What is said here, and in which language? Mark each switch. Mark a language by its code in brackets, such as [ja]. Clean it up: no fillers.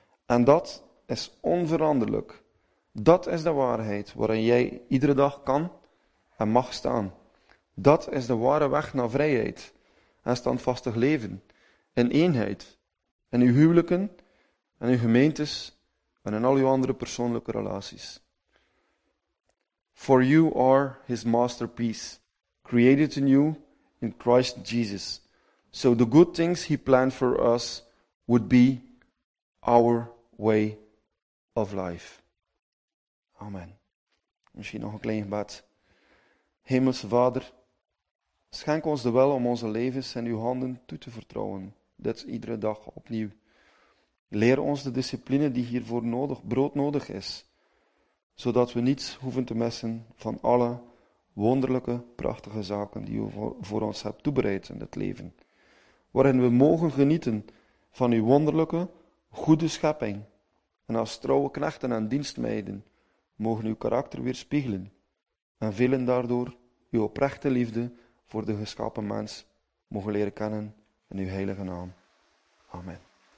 [nl] En dat is onveranderlijk. Dat is de waarheid waarin jij iedere dag kan en mag staan. Dat is de ware weg naar vrijheid en standvastig leven, in eenheid, in uw huwelijken, in uw gemeentes en in al uw andere persoonlijke relaties. [en] For you are his masterpiece, created anew in Christ Jesus, so the good things he planned for us would be our way of life. Amen. [nl] Misschien nog een klein gebed. Hemelse Vader, schenk ons de wil om onze levens in uw handen toe te vertrouwen, dit iedere dag opnieuw. Leer ons de discipline die hiervoor broodnodig is, zodat we niets hoeven te missen van alle wonderlijke, prachtige zaken die u voor ons hebt toebereid in het leven, waarin we mogen genieten van uw wonderlijke, goede schepping en als trouwe knechten en dienstmeiden mogen uw karakter weerspiegelen en velen daardoor uw oprechte liefde voor de geschapen mens mogen leren kennen in uw heilige naam. Amen.